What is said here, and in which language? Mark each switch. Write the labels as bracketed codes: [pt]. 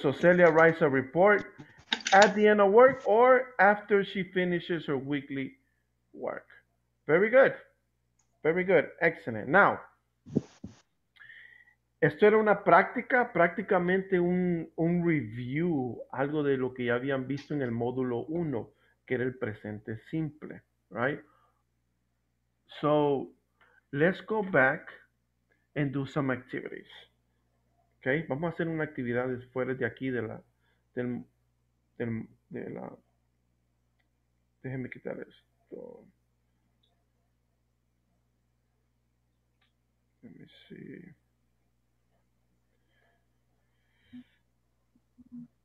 [en] So Celia writes a report at the end of work or after she finishes her weekly work. Very good. Very good. Excellent. [es] Now, esto era una práctica, prácticamente un review, algo de lo que ya habían visto en el módulo 1, que era el presente simple, right? [en] So, let's go back and do some activities. Okay? [es] Vamos a hacer una actividad fuera de aquí de la de la déjenme quitar esto. [en] Let me see.